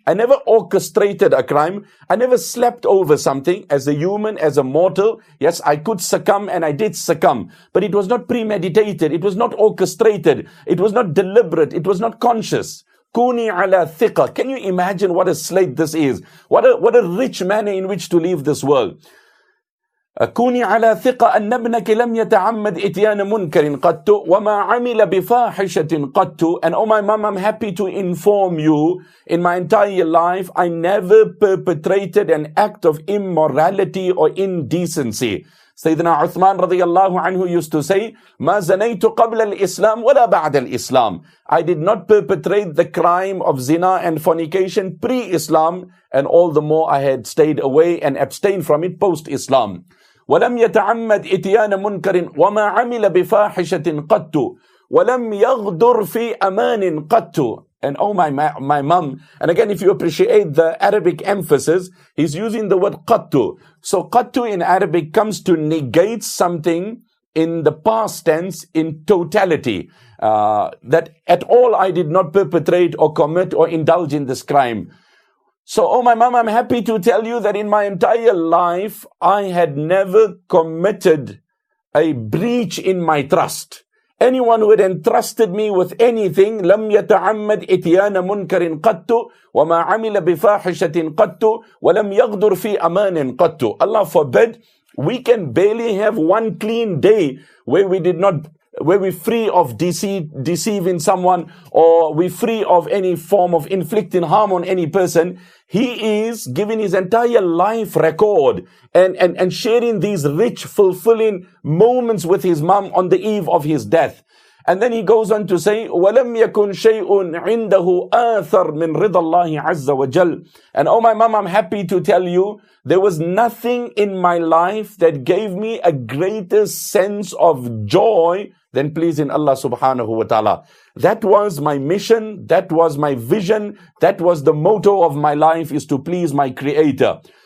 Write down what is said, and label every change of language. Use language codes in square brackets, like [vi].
[en] I never orchestrated a crime. I never slept over something as a human, as a mortal. Yes, I could succumb and I did succumb. But it was not premeditated. It was not orchestrated. It was not deliberate. It was not conscious. [ar] Kuni ala thika. [en] Can you imagine what a slate this is? What a rich manner in which to leave this world. [ar] كوني على ثقة أن ابنك لم يتعمد إتيان منكر قط وما عمل بفاحشة قط. [en] And oh my mom, I'm happy to inform you, in my entire life, I never perpetrated an act of immorality or indecency. Sayyidina Uthman radiyallahu anhu used to say, [ar] ما زنيت قبل الإسلام ولا بعد الإسلام. [en] I did not perpetrate the crime of zina and fornication pre-Islam, and all the more I had stayed away and abstained from it post-Islam. [ar] ولم يتعمد إتيان منكر وما عمل بفاحشة قط ولم يغدر في أمان قط. [en] And oh my mom. And again, if you appreciate the Arabic emphasis, he's using the word qattu. So qattu in Arabic comes to negate something in the past tense in totality. That at all I did not perpetrate or commit or indulge in this crime. So, oh my mom, I'm happy to tell you that in my entire life, I had never committed a breach in my trust. Anyone who had entrusted me with anything, [ar] لم يتعمد إتيان منكر قط وما عمل بفاحشة قط ولم يغدر في أمان قط. [en] Allah forbid, we can barely have one clean day where we did not, where we're free of deceiving someone, or we're free of any form of inflicting harm on any person. He is giving his entire life record and sharing these rich, fulfilling moments with his mom on the eve of his death. And then he goes on to say, [ar] وَلَمْ يَكُنْ شَيْءٌ عِنْدَهُ آثَرْ مِنْ رِضَ اللَّهِ عَزَّ وَجَلٍ. [en] And oh my mom, I'm happy to tell you, there was nothing in my life that gave me a greater sense of joy than pleasing Allah subhanahu wa ta'ala. That was my mission, that was my vision, that was the motto of my life, is to please my Creator.